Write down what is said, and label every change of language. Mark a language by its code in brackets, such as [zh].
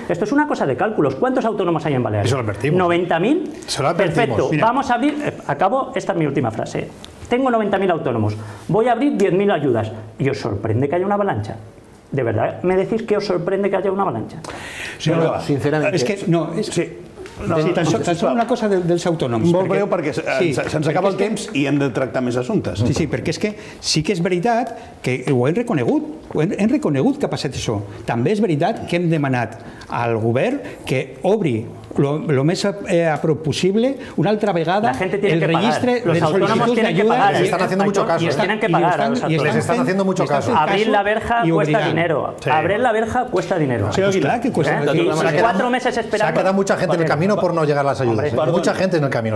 [es] Esto es una cosa de cálculos. ¿Cuántos autónomos hay en Baleares? Eso lo advertimos. ¿90.000? Se lo advertimos. Perfecto. Mira. Vamos a abrir... Acabo, esta es mi última frase. Tengo 90.000 autónomos. Voy a abrir 10.000 ayudas. Y os sorprende que haya una avalancha. De verdad, me decís que os sorprende que haya una avalancha. Sí, pero, sinceramente. Es que, no, es que... Sí. [ca] Tan sols una cosa dels autònoms. Molt breu, perquè se'ns acaba el temps i hem de tractar més assumptes. Sí, sí, perquè és que sí que és veritat que ho hem reconegut, que ha passat això. També és veritat que hem demanat al govern que obri el més a prop possible una altra vegada el registre de sol·licituds d'ajuda. Els [es] estan haciendo mucho caso. Les estan haciendo mucho caso. Abrir la verja cuesta dinero. Abrir la verja cuesta dinero. Sí, clar, que cuesta. Cuatro meses esperando. [ca] S'ha quedat [es] mucha gente [ca] en el camí. [es] Camino por no llegar a las ayudas. Hombre, [ca] perdoni, [es] mucha gente en el camino.